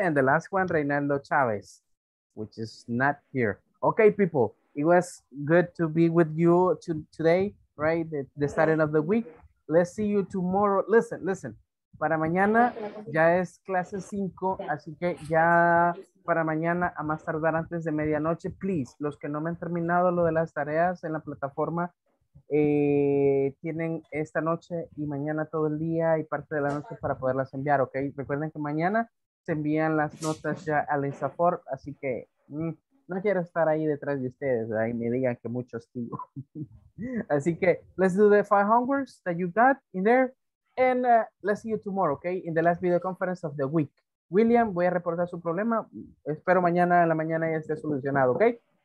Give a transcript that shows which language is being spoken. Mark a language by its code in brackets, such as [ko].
[en] And the last one, Reynaldo Chavez, which is not here. Okay, people, it was good to be with you today, right? The starting of the week. Let's see you tomorrow. Listen. [es] Para mañana ya es clase 5, así que ya para mañana, a más tardar antes de medianoche, please, los que no me han terminado lo de las tareas en la plataforma, tienen esta noche y mañana todo el día y parte de la noche para poderlas enviar, ¿ok? Recuerden que mañana se envían las notas ya al INSAFORP, así que no quiero estar ahí detrás de ustedes, ahí me digan que mucho estilo. Así que, [en] let's do the 5 homeworks that you got in there. And let's see you tomorrow, okay? In the last video conference of the week. [es] William, voy a reportar su problema. Espero mañana en la mañana ya esté solucionado, okay?